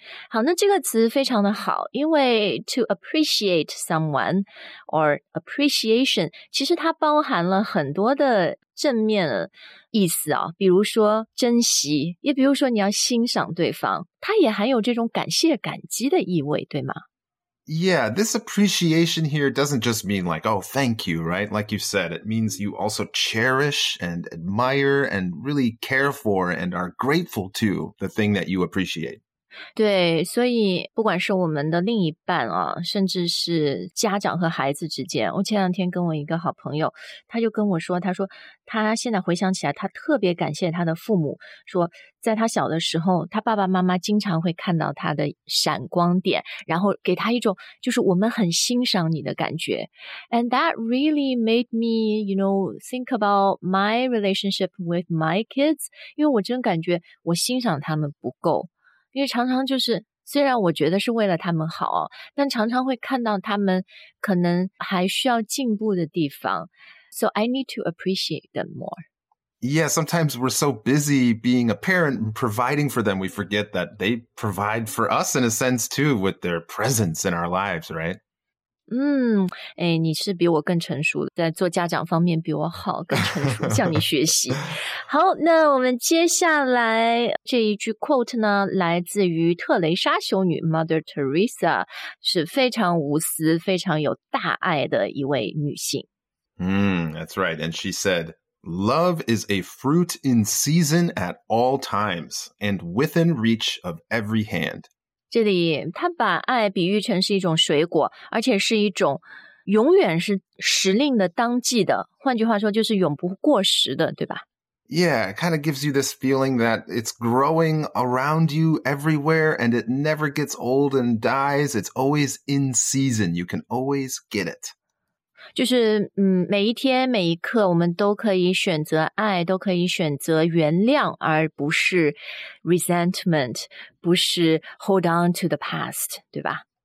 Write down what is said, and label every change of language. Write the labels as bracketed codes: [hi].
[zh] 好，那这个词非常的好，因为 [en] to appreciate someone or appreciation, [zh] 其实它包含了很多的正面意思啊，比如说珍惜，也比如说你要欣赏对方，它也含有这种感谢感激的意味，对吗？ [en] Yeah, this appreciation here doesn't just mean like, oh, thank you, right? Like you said, it means you also cherish and admire and really care for and are grateful to the thing that you appreciate. [zh] 对，所以不管是我们的另一半啊，甚至是家长和孩子之间，我前两天跟我一个好朋友，他就跟我说，他说他现在回想起来，他特别感谢他的父母，说在他小的时候，他爸爸妈妈经常会看到他的闪光点，然后给他一种就是我们很欣赏你的感觉。 [en] And that really made me, you know, think about my relationship with my kids, [zh] 因为我真感觉我欣赏他们不够。因为常常就是虽然我觉得是为了他们好，但常常会看到他们可能还需要进步的地方。 [en] So I need to appreciate them more. Yeah, sometimes we're so busy being a parent and providing for them, we forget that they provide for us in a sense too with their presence in our lives, right? [zh] 哎，你是比我更成熟，在做家长方面比我好，更成熟，向你学习。好，那我们接下来这一句 quote 呢，来自于特蕾莎修女 Mother Teresa， 是非常无私、非常有大爱的一位女性。 [en] That's right. And she said, "Love is a fruit in season at all times and within reach of every hand." [zh] 这里他把爱比喻成是一种水果，而且是一种永远是时令的当季的，换句话说就是永不过时的，对吧？ [en] Yeah, it kind of gives you this feeling that it's growing around you everywhere and it never gets old and dies. It's always in season. You can always get it. [zh] 就是每一天每一刻我们都可以选择爱，都可以选择原谅，而不是 resentment,不是 [en] hold on to the past, [zh] 对吧?